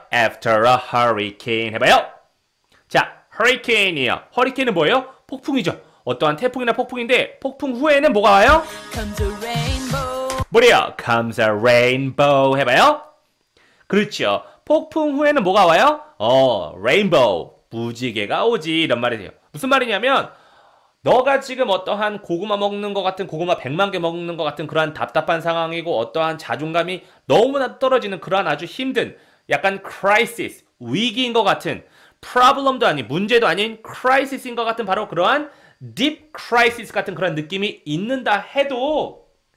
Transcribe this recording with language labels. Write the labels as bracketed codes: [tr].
[en] After a hurricane 해봐요. [ko] 자, hurricane이요. hurricane은 뭐예요? 폭풍이죠. 어떠한 태풍이나 폭풍인데 폭풍 후에는 뭐가 와요? [en] Comes a rainbow. 뭐래요? Comes a rainbow 해봐요. [ko] 그렇죠. 폭풍 후에는 뭐가 와요? rainbow, 무지개가 오지, 이런 말이에요. 무슨 말이냐면 너가 지금 어떠한 고구마 먹는 것 같은, 고구마 100만 개 먹는 것 같은 그러한 답답한 상황이고 어떠한 자존감이 너무나 떨어지는 그러한 아주 힘든 약간 crisis, 위기인 것 같은, problem도 아닌 문제도 아닌 crisis인 것 같은 바로 그러한 deep crisis 같은 그런 느낌이 있는다 해도